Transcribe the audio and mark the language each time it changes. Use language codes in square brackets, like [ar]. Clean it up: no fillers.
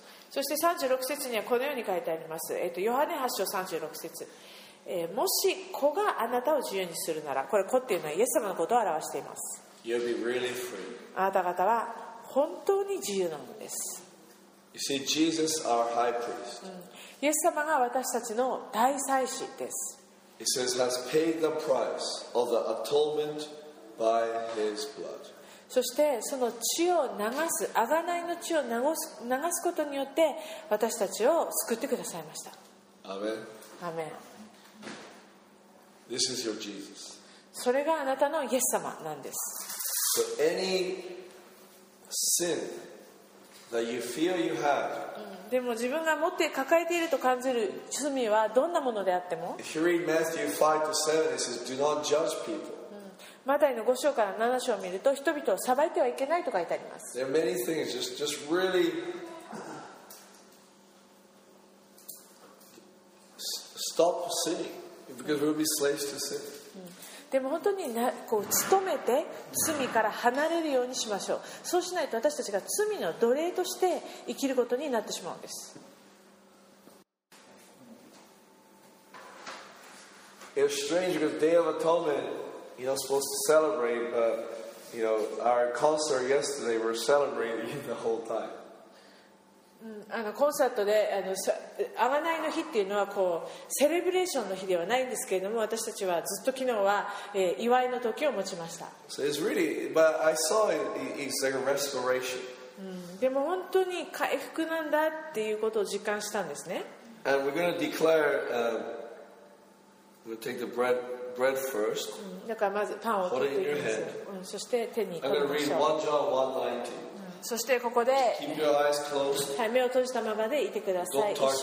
[ja] そして36節にはこのように書いてあります、ヨハネ8章36節、もし子があなたを自由にするなら、これ子っていうのはイエス様のことを表しています。 [en] You'll be really free. [ja] あなた方は本当に自由なのです。 [en] You see, Jesus, our high priest. [ja] イエス様が私たちの大祭司です。 [en] He says, has paid the price of the atonement by his blood [ja] そしてその血を流す、贖いの血を流すことによって私たちを救ってくださいました。アメン、アメン。 [en] This is your Jesus. [ja] それがあなたのイエス様なんです。 [en] So any sin that you feel you have, [ja] でも自分が持って抱えていると感じる罪はどんなものであっても、 [en] If you read Matthew 5 to 7, it says, do not judge people. [ja] マタイの5章から7章を見ると人々を裁いてはいけないと書いてあります。 [en] There are many things just really stop sinning because we'll be slaves to sin. [ja] でも本当にこう努めて罪から離れるようにしましょう。そうしないと私たちが罪の奴隷として生きることになってしまうんです。 [en] It was strange because Day of Atonement,You're not supposed to celebrate, but you know, our concert yesterday, we're celebrating the whole time. [ja] コンサートで、贖いの日っていうのはこうセレブレーションの日ではないんですけれども、私たちはずっと昨日は、祝いの時を持ちました。 [en] So it's really, but I saw it's like a restoration. [ja] でも本当に回復なんだっていうことを実感したんですね。 [en] And we're going to declare, we'll take the bread. Bread first. [ja] だからまずパンを取っていきます。そして手に取りましょう。そしてここで、はい、目を閉じたままでいてください。